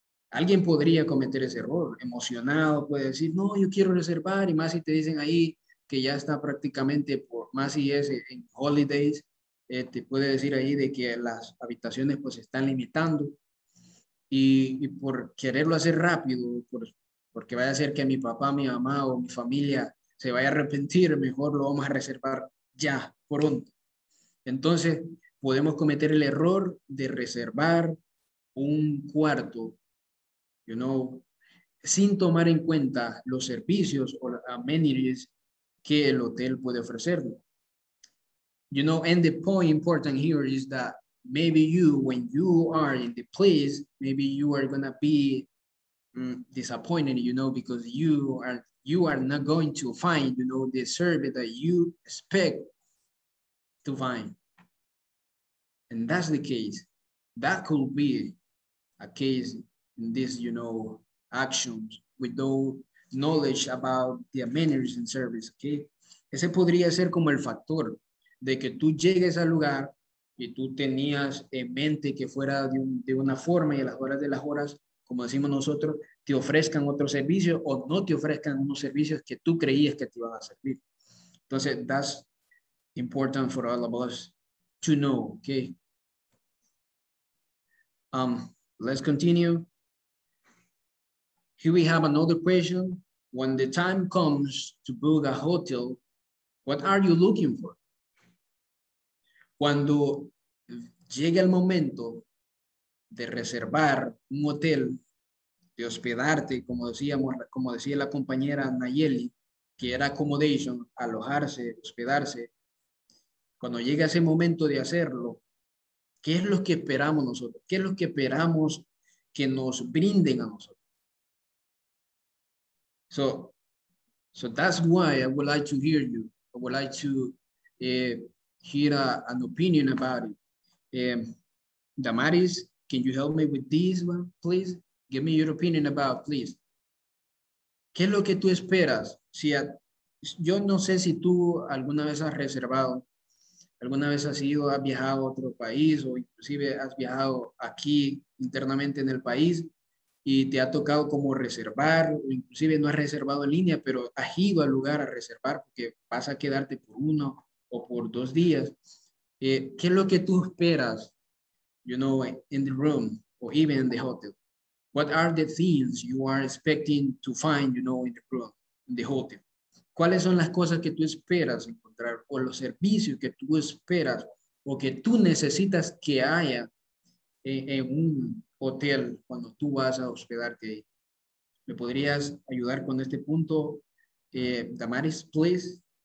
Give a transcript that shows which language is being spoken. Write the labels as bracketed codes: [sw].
[es] Alguien podría cometer ese error, emocionado, puede decir, no, yo quiero reservar, y más si te dicen ahí que ya está prácticamente, por más si es en holidays, te puede decir ahí de que las habitaciones pues se están limitando, y por quererlo hacer rápido, porque vaya a ser que mi papá, mi mamá o mi familia se vaya a arrepentir, mejor lo vamos a reservar ya, pronto. Entonces, podemos cometer el error de reservar un cuarto, [en] you know, [es] sin tomar en cuenta los servicios o amenities que el hotel puede ofrecer. [en] You know, and the point important here is that maybe you, when you are in the place, maybe you are going to be disappointed, you know, because you are not going to find, you know, the service that you expect to find. And that's the case. That could be a case in this, you know, actions with no knowledge about the amenities and service, okay? [es] Ese podría ser como el factor de que tú llegues al lugar y tú tenías en mente que fuera de una forma y a las horas de las horas, como decimos nosotros, te ofrezcan otro servicio o no te ofrezcan unos servicios que tú creías que te iban a servir. [en] Entonces, that's important for all of us to know, okay? Let's continue. Here we have another question. When the time comes to book a hotel, what are you looking for? [es] Cuando llega el momento de reservar un hotel, de hospedarte, como decía la compañera Nayeli, que era accommodation, alojarse, hospedarse, cuando llega ese momento de hacerlo, ¿qué es lo que esperamos nosotros? ¿Qué es lo que esperamos que nos brinden a nosotros? [en] So that's why I would like to hear you. I would like to hear an opinion about it. Damaris, can you help me with this one, please? Give me your opinion about, please. [es] ¿Qué es lo que tú esperas? Yo no sé si tú alguna vez has reservado, alguna vez has viajado a otro país o inclusive has viajado aquí internamente en el país y te ha tocado como reservar, o inclusive no has reservado en línea, pero has ido al lugar a reservar porque vas a quedarte por uno o por dos días. ¿Qué es lo que tú esperas, [en] you know, in the room or even in the hotel? What are the things you are expecting to find, you know, in the room, in the hotel? [es] ¿Cuáles son las cosas que tú esperas encontrar o los servicios que tú esperas o que tú necesitas que haya en un hotel cuando tú vas a hospedarte? ¿Me podrías ayudar con este punto, Damaris, please?